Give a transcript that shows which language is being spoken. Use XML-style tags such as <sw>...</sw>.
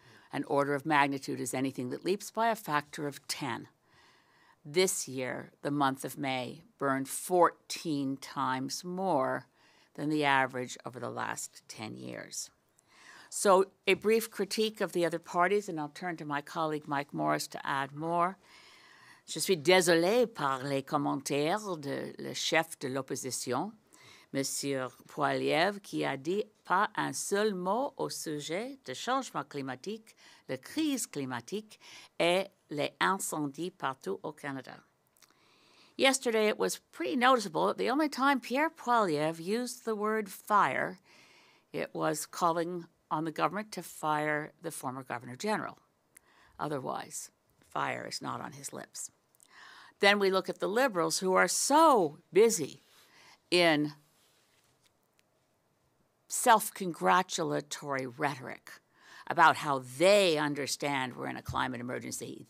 <en>An order of magnitude is anything that leaps by a factor of 10. This year, the month of May burned 14 times more than the average over the last 10 years. So a brief critique of the other parties, and I'll turn to my colleague Mike Morris to add more.</en> <fr>Je suis désolé par les commentaires de le chef de l'opposition, Monsieur Poilievre, qui a dit pas un seul mot au sujet de changement climatique, la crise climatique et les incendies partout au Canada.</fr> <en>Yesterday, it was pretty noticeable that the only time Pierre Poilievre used the word fire, it was calling on the government to fire the former Governor General. Otherwise, fire is not on his lips. Then we look at the Liberals, who are so busy in self-congratulatory rhetoric about how they understand we're in a climate emergency.</en>